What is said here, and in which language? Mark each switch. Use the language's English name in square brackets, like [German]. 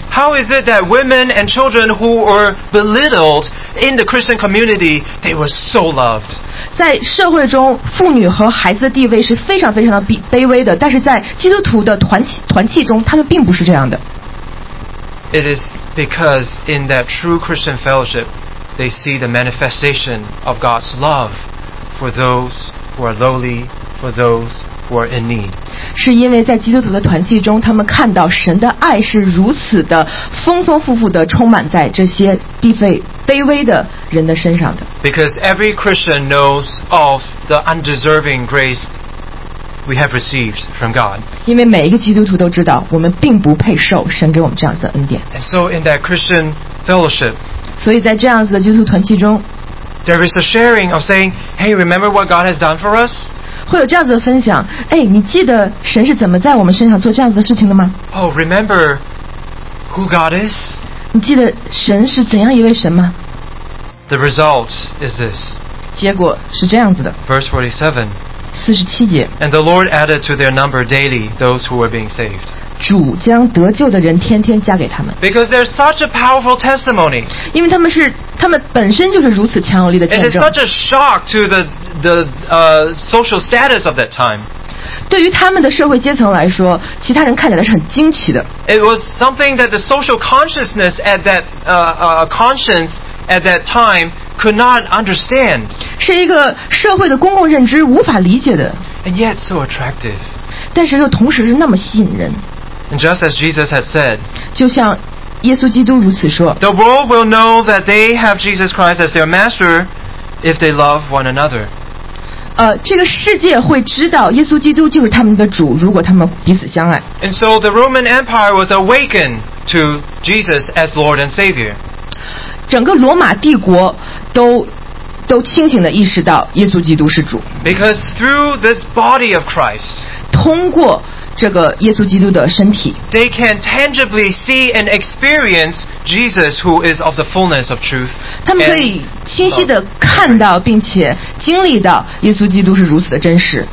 [English] How is it that women and children who were belittled in the Christian community, they were so loved? [Chinese] 在社会中，妇女和孩子的地位是非常非常的卑微的，但是在基督徒的团契中，他们并不是这样的。 [English] It is because in that true Christian fellowship, they see the manifestation of God's love for those who are lowly, for those who are in need. [Chinese] 是因为在基督徒的团契中，他们看到神的爱是如此的丰丰富富的充满在这些地位卑微的人的身上的。 [English] Because every Christian knows of the undeserving grace we have received from God. [Chinese] 因为每一个基督徒都知道，我们并不配受神给我们这样子的恩典。 [English] And so in that Christian fellowship, [Chinese] 所以在这样子的基督徒团契中 [English] there is a sharing of saying, "Hey, remember what God has done for us?" [Chinese] 会有这样子的分享，哎，你记得神是怎么在我们身上做这样子的事情的吗 [English] ？Oh, remember who God is? [Chinese] 你记得神是怎样一位神吗 [English] ？The result is this. [Chinese] 结果是这样子的。 [English] Verse 47. [Chinese] 47节 [English] And the Lord added to their number daily those who were being saved. [Chinese] 主将得救的人天天加给他们 [English] Because there's such a powerful testimony. [Chinese] 因为他们本身就是如此强有力的见证 [English] And it's such a shock to the social status of that time. [Chinese] 对于他们的社会阶层来说，其他人看起来是很惊奇的 [English] It was something that the social consciousness at that conscience at that time. Could not understand. [Chinese] 是一个社会的公共认知无法理解的 [English] And yet so attractive. [Chinese] 但是又同时是那么吸引人 [English] And just as Jesus has said. [Chinese] 就像耶稣基督如此说 [English] The world will know that they have Jesus Christ as their master if they love one another. [Chinese] 这个世界会知道耶稣基督就是他们的主，如果他们彼此相爱 [English] And so the Roman Empire was awakened to Jesus as Lord and Savior. [Chinese] 整个罗马帝国都清醒地意识到耶稣基督是主 [English] Because through this body of Christ [Chinese] 通过这个耶稣基督的身体 [English] They can tangibly see and experience Jesus who is of the fullness of truth [Chinese] 他们可以清晰地看到并且经历到耶稣基督是如此的真实